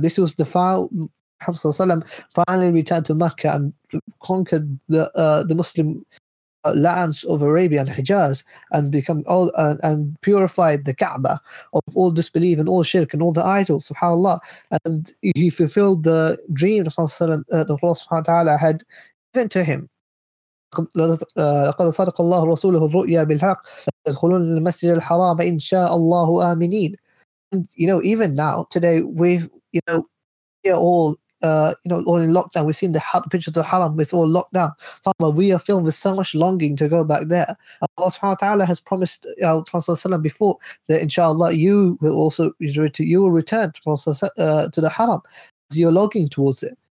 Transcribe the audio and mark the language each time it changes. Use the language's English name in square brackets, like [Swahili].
[English] This was the final, Muhammad Sallallahu Alaihi Wasallam finally returned to Makkah and conquered the Muslim lands of Arabia and Hijaz, and become all and purified the Kaaba of all disbelief and all shirk and all the idols, subhanAllah. And he fulfilled the dream that Allah had given to him. [Arabic] لقد صدق الله رسوله الرؤيا بالحق يدخلون المسجد الحرام إن شاء الله آمنين. [English] And, you know, even now, today, we've, you know, we are all you know, all in lockdown. We've seen the pictures of Haram, it's all locked down. Subhanallah, we are filled with so much longing to go back there. Allah subhanahu wa ta'ala has promised Prophet before that inshallah you will also return to the Haram. You're logging towards it.